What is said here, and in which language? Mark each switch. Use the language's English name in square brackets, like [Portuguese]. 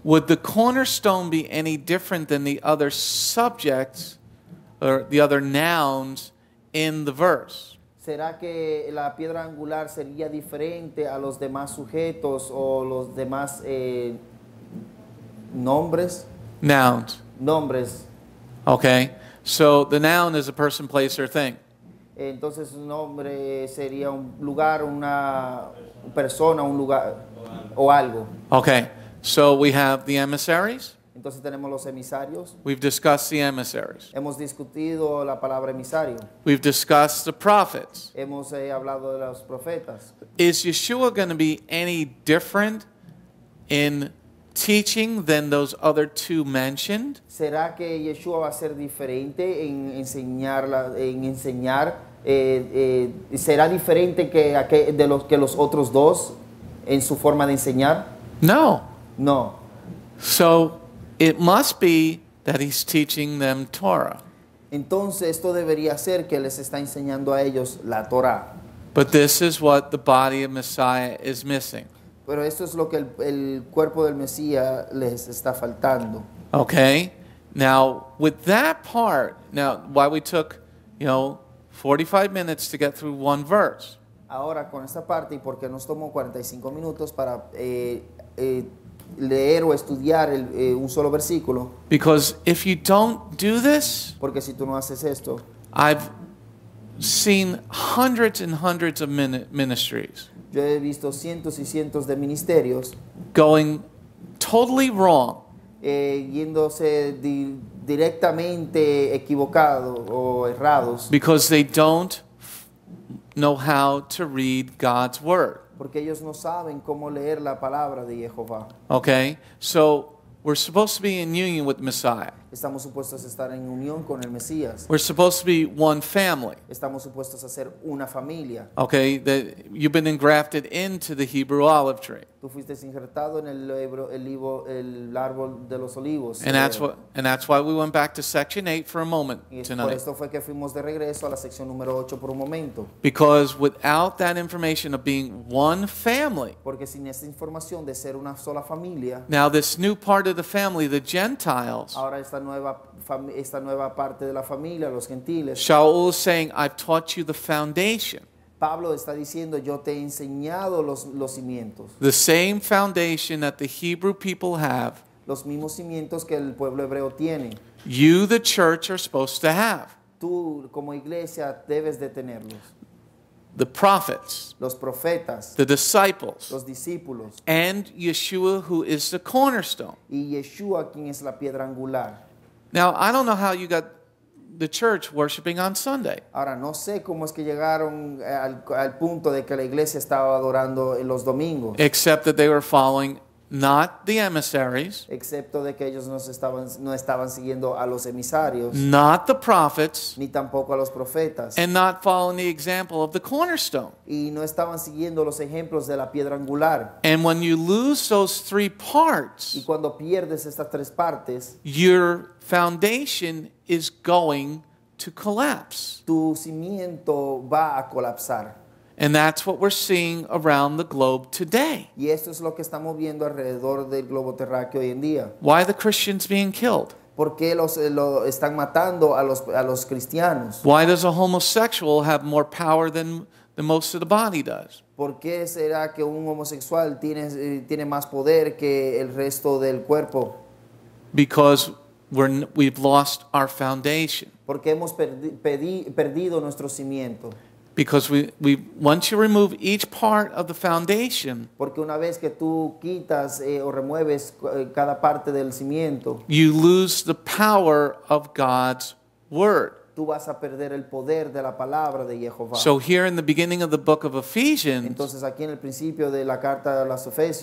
[English] would the cornerstone be any different than the other subjects or the other nouns in the verse? [Spanish] ¿Será que la piedra angular sería diferente a los demás sujetos o los demás nombres? [English] Nouns. [Spanish] Nombres. [English] Okay. So the noun is a person, place, or thing. [Spanish] Entonces, un nombre sería un lugar, una persona, un lugar o algo. [English] Okay. So we have the emissaries. [Spanish] Entonces tenemos los emisarios. [English] We've discussed the emissaries. [Spanish] Hemos discutido la palabra emisario. [English] We've discussed the prophets. [Spanish] Hemos hablado de los profetas. [English] Is Yeshua going to be any different in teaching than those other two mentioned? [Spanish] ¿Será que Yeshua va a ser diferente en enseñar? ¿Será diferente que los otros dos en su forma de enseñar? [English] No. [Spanish] No. [English] So it must be that he's teaching them Torah. [Spanish] Entonces esto debería ser que les está enseñando a ellos la Torah. [English] But this is what the body of Messiah is missing. [Spanish] Pero esto es lo que el cuerpo del Mesías les está faltando. [English] Okay. Now, with that part, now, why we took, 45 minutes to get through one verse. [Spanish] Ahora, con esta parte, y porque nos tomó 45 minutos para leer o estudiar un solo versículo. [English] Because if you don't do this, [Spanish] porque si tú no haces esto, [English] I've seen hundreds and hundreds of ministries. [Spanish] Yo he visto cientos y cientos de ministerios [English] going totally wrong. [Spanish] Yéndose directamente equivocado o errados. [English] Because they don't know how to read God's word. [Spanish] Porque ellos no saben cómo leer la palabra de Jehová. [English] Okay, so we're supposed to be in union with Messiah. [Spanish] Estamos supuestos a estar en unión con el Mesías. [English] We're supposed to be one family. [Spanish] Estamos supuestos a ser una familia. [English] Okay, you've been engrafted into the Hebrew olive tree. [Spanish] Tú fuiste injertado en el árbol de los olivos. [English] And that's why we went back to section 8 for a moment tonight. [Spanish] Por esto fue que fuimos de regreso a la sección número 8 por un momento. [English] Because without that information of being one family. [Spanish] Porque sin esa información de ser una sola familia. [English] Now this new part of the family, the Gentiles. [Spanish] Ahora esta nueva parte de la familia, los gentiles. [English] Shaul is saying, I've taught you the foundation. [Spanish] Pablo está diciendo, yo te he enseñado los cimientos. [English] The same foundation that the Hebrew people have. [Spanish] Los mismos cimientos que el pueblo hebreo tiene. [English] You, the church, are supposed to have. [Spanish] Tú, como iglesia, debes de tenerlos. [English] The prophets. [Spanish] Los profetas. [English] The disciples. [Spanish] Los discípulos. [English] And Yeshua, who is the cornerstone. [Spanish] Y Yeshua, quien es la piedra angular. [English] Now, I don't know how you got the church worshiping on Sunday. [Spanish] Ahora no sé cómo es que llegaron al punto de que la iglesia estaba adorando en los domingos. [English] Except that they were following not the emissaries. [Spanish] Excepto de que ellos no estaban siguiendo a los emisarios. [English] Not the prophets. [Spanish] Ni tampoco a los profetas. [English] And not following the example of the cornerstone. [Spanish] Y no estaban siguiendo los ejemplos de la piedra angular. [English] And when you lose those three parts, [Spanish] y cuando pierdes estas tres partes, [English] your foundation is going to collapse. [Spanish] Tu cimiento va a colapsar. [English] And that's what we're seeing around the globe today. [Spanish] Y esto es lo que estamos viendo alrededor del globo terráqueo hoy en día. [English] Why are the Christians being killed? [Spanish] ¿Por qué los están matando a los cristianos? [English] Why does a homosexual have more power than most of the body does? [Spanish] ¿Por qué será que un homosexual tiene más poder que el resto del cuerpo? [English] Because we've lost our foundation. [Spanish] Porque hemos perdido nuestro cimiento. [English] Because we once you remove each part of the foundation, [Spanish] porque una vez que tú quitas o remueves cada parte del cimiento, [English] you lose the power of God's word. [Spanish] Tú vas a perder el poder de la palabra de Jehová. [English] So here in the beginning of the book of Ephesians, [Spanish] entonces aquí en el principio de la carta a los Efesios,